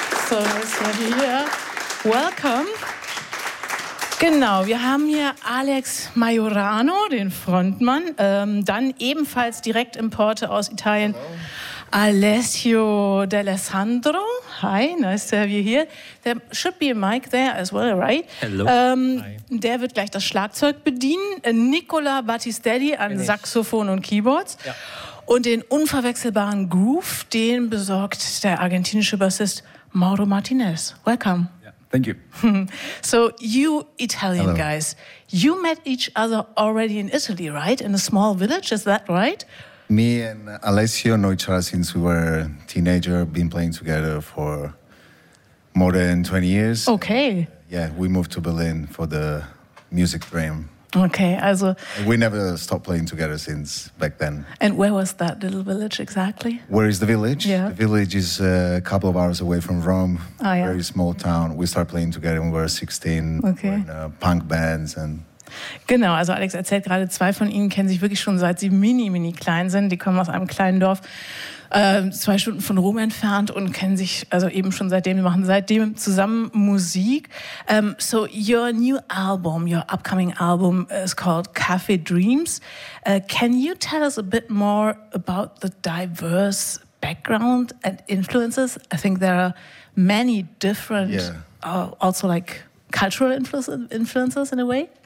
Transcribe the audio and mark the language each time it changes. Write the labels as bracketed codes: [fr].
[de] So, ist er hier. Welcome. Genau, wir haben hier Alex Majorano, den Frontmann, dann ebenfalls Direktimporte aus Italien. [en] Hello. Alessio D'Alessandro, hi, nice to have you here. There should be a mic there as well, right? Hello. [de] Hi. Der wird gleich das Schlagzeug bedienen. Nicola Battistelli an Saxophon und Keyboards. Ja. Und den unverwechselbaren Groove, den besorgt der argentinische Bassist Mauro Martinez. [en] Welcome. Thank you. So, you Italian Hello. Guys, you met each other already in Italy, right? In a small village, is that right? Me and Alessio know each other since we were teenagers, been playing together for more than 20 years. Okay. Yeah, we moved to Berlin for the music dream. [de] Okay, also... [en] We never stopped playing together since back then. And where was that little village exactly? Where is the village? Yeah. The village is a couple of hours away from Rome. Oh, yeah. Very small town. We started playing together when we were 16. Okay. In punk bands and... [de] Genau, also Alex erzählt gerade, zwei von ihnen kennen sich wirklich schon, seit sie mini, mini klein sind. Die kommen aus einem kleinen Dorf, zwei Stunden von Rom entfernt und kennen sich also eben schon seitdem, wir machen seitdem zusammen Musik. [en] So your new album, your upcoming album is called Cafe Dreams. Can you tell us a bit more about the diverse background and influences? I think there are many different, also like cultural influences in a way.